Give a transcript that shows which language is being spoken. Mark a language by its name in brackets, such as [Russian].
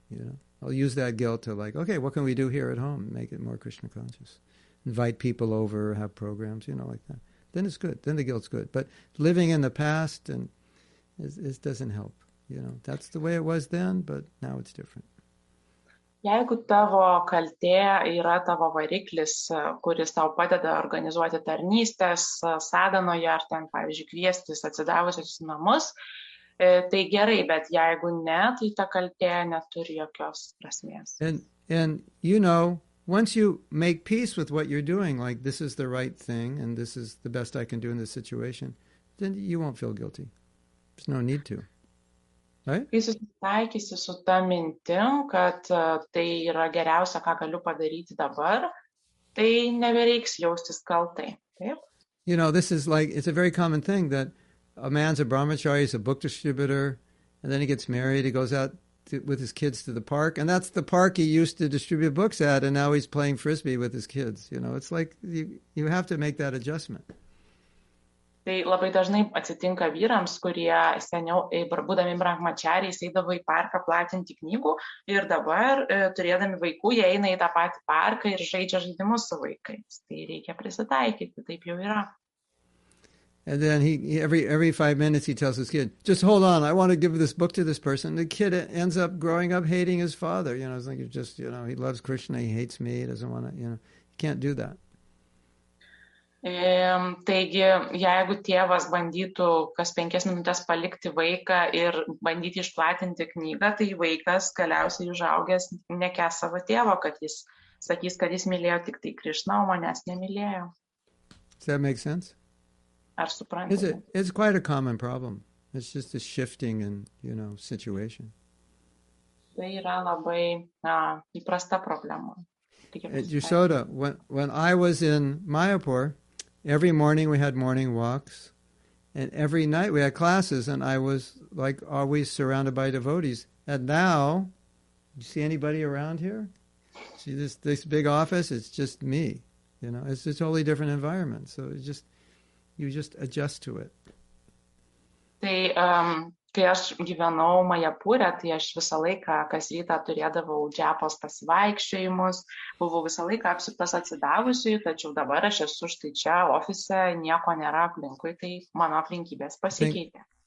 [English] You know, I'll use that guilt to like, okay, what can we do here at home? Make it more Krishna conscious. Invite people over, have programs, you know, like that. Then it's good. Then the guilt's good. But living in the past, and it doesn't help. You know, that's the way it was then, but now it's different. [Lithuanian] Jeigu tavo kaltė yra tavo variklis, kuris tau padeda organizuoti tarnystės sadanoje ar ten, pavyzdžiui, kviestis atsidavusius namus, tai gerai, bet jeigu ne, tai ta kaltė neturi jokios prasmės. [English] And you know, once you make peace with what you're doing, like this is the right thing and this is the best I can do in this situation, then you won't feel guilty. There's no need to. [Lithuanian] Kai susitaikysi su tą mintim, kad tai yra geriausia, ką galiu padaryti dabar, tai nebereiks jaustis kaltai. Taip? [English] You know, this is like, it's a very common thing that a man's a brahmachari, he's a book distributor, and then he gets married, he goes out with his kids to the park, and that's the park he used to distribute books at, and now he's playing frisbee with his kids. You know, it's like, you have to make that adjustment. [Lithuanian] Tai labai dažnai atsitinka vyrams, kurie seniau, būdami brahmačiariais, eidavo į parką platinti knygų ir dabar, turėdami vaikų, jie eina į tą patį parką ir žaidžia žaidimus su vaikais. Tai reikia prisitaikyti, taip jau yra. [English] And then he every 5 minutes he tells his kid, just hold on, I want to give this book to this person. The kid ends up growing up hating his father. You know, it's like, just, you know, he loves Krishna, he hates me, he doesn't want to, you know, he can't do that. [Lithuanian] Taigi, jeigu tėvas bandytų kas 5 minutes palikti vaiką ir bandyti išplatinti knygą, tai vaikas galiausiai užaugęs nekęs savo tėvo, kad jis sakys, kad jis mylėjo tik tai Krišną, o manęs nemylėjo. [English] Does that make sense? [Lithuanian] Ar suprantate? [English] It's quite a common problem. It's just a shifting in, you know, situation. [Lithuanian] Tai yra labai įprasta problema. [English] Yashoda, when I was in Mayapur, Every morning we had morning walks, and every night we had classes, and I was like always surrounded by devotees. And now, you see anybody around here? See this big office? It's just me. You know, it's a totally different environment. So it's just, you just adjust to it. [Lithuanian] Tai, kai aš gyvenau Majapūre, tai aš visą laiką, kas rytą turėdavau džiapos pasivaikščiojimus, buvau visą laiką apsiptas atsidavusiu, tačiau dabar aš esu štai čia, ofise, nieko nėra aplinkui, tai mano aplinkybės pasikeitė.